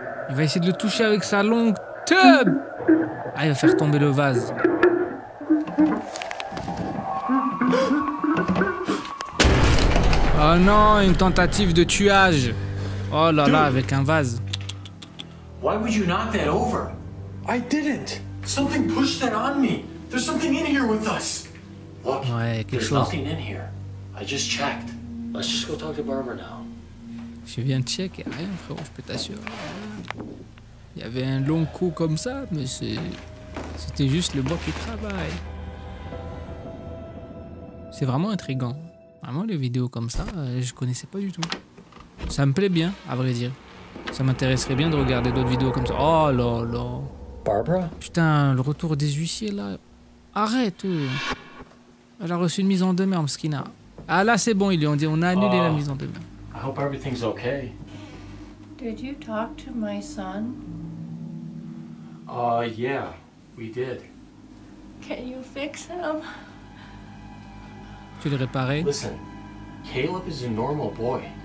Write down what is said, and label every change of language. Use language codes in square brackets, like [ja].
[fr] Il va essayer de le toucher avec sa longue tub. Ah, il va faire tomber le vase. Oh non, une tentative de tuage. Oh là là, avec un vase. [en] Why would you knock that over? I didn't. Something pushed that on me. There's something in here with us. Look, [fr] ouais, quelque [en] there's [fr] chose. [en] Nothing in here. I just checked. Let's just go talk to Barbara now. [fr] Je viens de check, y'a rien, frérot, je peux t'assurer. Il y avait un long cou comme ça, mais c'était juste le bois qui travaille. C'est vraiment intriguant. Vraiment, les vidéos comme ça, je connaissais pas du tout. Ça me plaît bien, à vrai dire. Ça m'intéresserait bien de regarder d'autres vidéos comme ça. Oh là là. [en] Barbara? [fr] Putain, le retour des huissiers là. Arrête! Elle a reçu une mise en demeure, Mskina. Ah là, c'est bon, ils lui ont dit, on a annulé la mise en demeure. [en] I hope everything's okay. Did you talk to my son? Yeah, we did. Can you fix him? [fr] Tu l'as réparé? [en] Listen, Caleb is a normal boy.